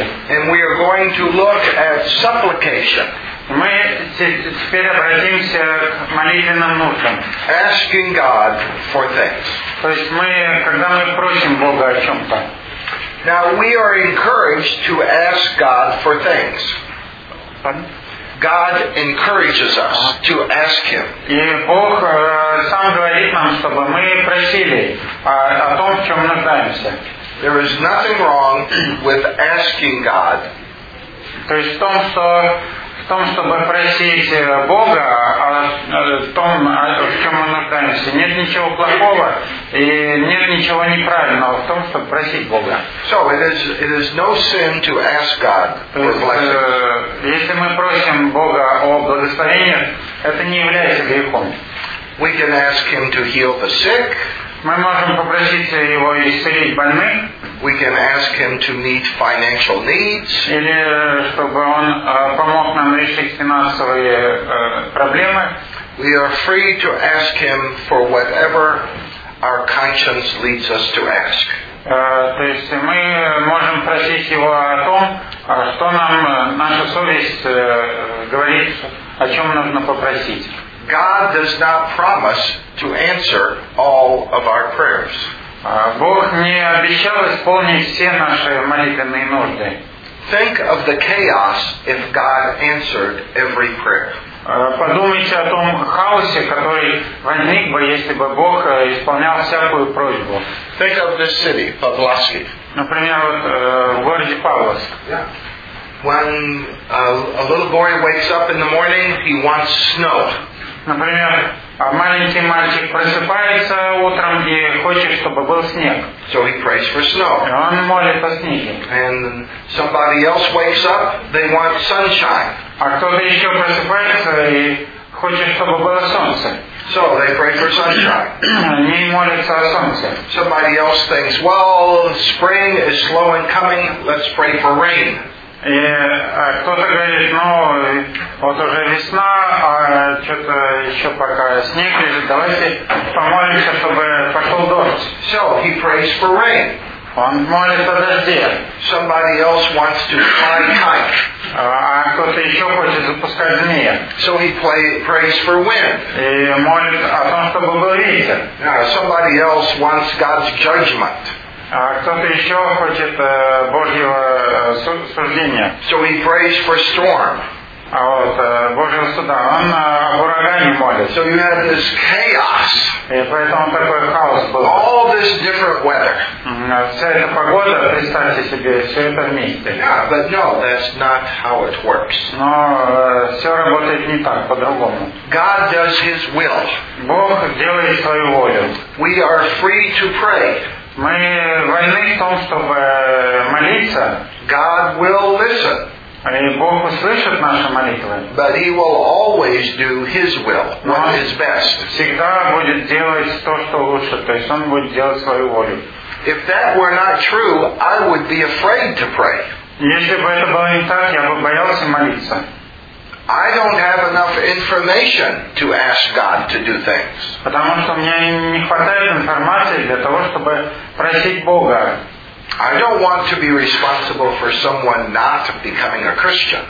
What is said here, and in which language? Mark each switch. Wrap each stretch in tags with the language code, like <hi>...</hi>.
<en>And we are going to look at supplication.</en> <ru>Мы теперь обратимся к молитвенным нуждам.</ru> <en>Asking God for things.</en> <ru>То есть мы, когда мы просим Бога о чем-то.</ru> <en>Now we are encouraged to ask God for things. God encourages us to ask Him.</en> <ru>И Бог сам говорит нам, чтобы мы просили о том, в чем нуждаемся.</ru> <en>There is nothing wrong with asking God.</en> <ru>То есть в том, чтобы просить Бога о том, в чем мы нуждаемся. Нет ничего плохого и нет ничего неправильного в том, чтобы просить Бога.</ru> <en>So it is no sin to ask God for blessings.</en> <ru>Если мы просим Бога о благословении, это не является грехом.</ru> <en>We can ask Him to heal the sick.</en> <ru>Мы можем попросить Его исцелить больных.</ru> <en>We can ask Him to meet financial needs.</en> <ru>Или чтобы Он помог нам решить финансовые проблемы.</ru> <en>We are free to ask Him for whatever our conscience leads us to ask.</en> <ru>То есть мы можем просить Его о том, что нам наша совесть говорит, о чем нужно попросить.</ru> <en>God does not promise to answer all of our prayers.</en> <ru>Бог не обещал исполнить все наши молитвенные нужды.</ru> <en>Think of the chaos if God answered every prayer.</en> <ru>Подумайте о том хаосе, который возник бы, если бы Бог исполнял всякую просьбу.</ru> <en>Think of this city, Pavlovsky.</en> <ru>Например, вот в городе Павловск.</ru> <en>Yeah. When a little boy wakes up in the morning, he wants snow.</en> <ru>Например, маленький мальчик просыпается утром и хочет, чтобы был снег.</ru> <en>So he prays for snow.</en> <ru>И он молит о снеге.</ru> <en>And somebody else wakes up, they want sunshine.</en> <ru>А кто-то еще просыпается и хочет, чтобы было солнце.</ru> <en>So they pray for sunshine.</en> <ru>Они молятся о солнце.</ru> <en>Somebody else thinks, well, spring is slow in coming, let's pray for rain.</en> <ru>И кто-то говорит, ну, вот уже весна, а что-то еще пока снег лежит, давайте помолимся, чтобы пошел дождь.</ru> <en>So he prays for rain.</en> <ru>Он молит о дожде.</ru> <en>Somebody else wants to fly kite.</en> <ru>А кто-то еще хочет запускать змея.</ru> <en>So he prays for wind.</en> <ru>И молит о том, чтобы был ветер.</ru> <en>Somebody else wants God's judgment.</en> <ru>А кто-то еще хочет Божьего суждения.</ru> <en>So he prays for storm.</en> <ru>А вот Божьего суда. Он об урагане молит.</ru> <en>So you have this chaos.</en> <ru>И поэтому такой хаос был.</ru> <en>All this different weather.</en> <ru>Вся эта погода, представьте себе, все это вместе.</ru> <en>Yeah, but no, that's not how it works.</en> <ru>Но все работает не так, по-другому.</ru> <en>God does His will.</en> <ru>Бог делает свою волю.</ru> <en>We are free to pray.</en> <ru>Мы вольны в том, чтобы молиться.</ru> <en>God will listen.</en> <ru>И Бог услышит наши молитвы.</ru> <en>But He will always do His will, what is best.</en> <ru>Всегда будет делать то, что лучше. То есть Он будет делать свою волю.</ru> <en>If that were not true, I would be afraid to pray.</en> <ru>Если бы это было не так, я бы боялся молиться.</ru> <en>I don't have enough information to ask God to do things.</en> <ru>Потому что мне не хватает информации для того, чтобы просить Бога.</ru> <en>I don't want to be responsible for someone not becoming a Christian.</en>